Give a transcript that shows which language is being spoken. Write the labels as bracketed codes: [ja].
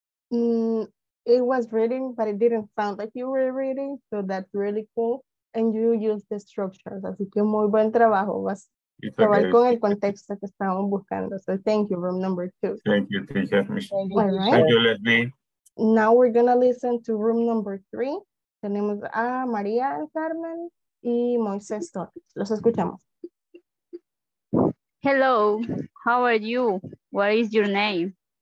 [en] It was reading, but it didn't sound like you were reading. So that's really cool. And you used the structures. [es] Así que muy buen trabajo. Vas a trabajar con el contexto que estábamos buscando. [en] So thank you, room number two. Thank you, teacher. Thank you, right. You Leslie. Now we're going to listen to room number three. [es] Tenemos a María Carmen y Moisés Torres. Los escuchamos. [en] Hello, how are you? What is your name?